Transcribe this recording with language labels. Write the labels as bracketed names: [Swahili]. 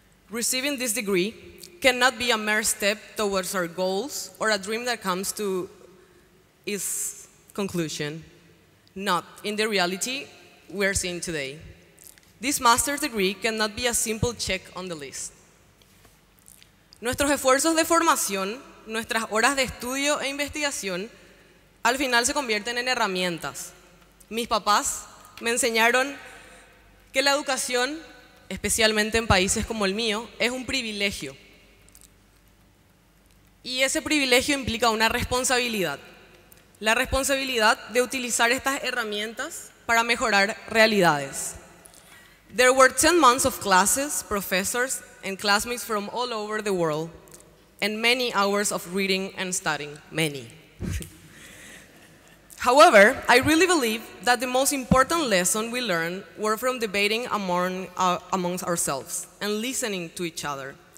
[English] Receiving this degree cannot be a mere step towards our goals or a dream that comes to its conclusion. Not in the reality we're seeing today. This master's degree cannot be a simple check on the list. [Spanish] Nuestros esfuerzos de formación, nuestras horas de estudio e investigación, al final se convierten en herramientas. Mis papás me enseñaron que la educación, especialmente en países como el mío, es un privilegio. Y ese privilegio implica una responsabilidad. La responsabilidad de utilizar estas herramientas para mejorar realidades. [English] There were 10 months of classes, professors, and classmates from all over the world, and many hours of reading and studying. Many. However, I really believe that the most important lesson we learned were from debating amongst ourselves and listening to each other.